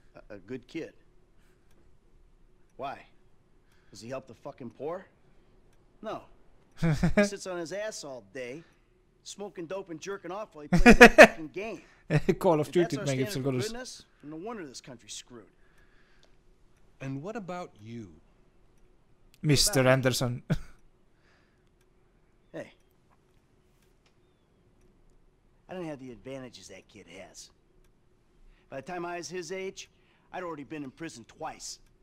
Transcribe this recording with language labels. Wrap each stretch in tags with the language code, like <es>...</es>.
<en>A good kid. Why? Does he help the fucking poor? No. He sits on his ass all day, smoking dope and jerking off while he plays a fucking game.</en> <et>Call of Duty mängib seal kodus.</et> <en>No wonder this country's screwed. And what about you? Mr. Anderson. Hey. I don't have the advantages that kid has. By the time I was his age, I'd already been in prison twice.</en>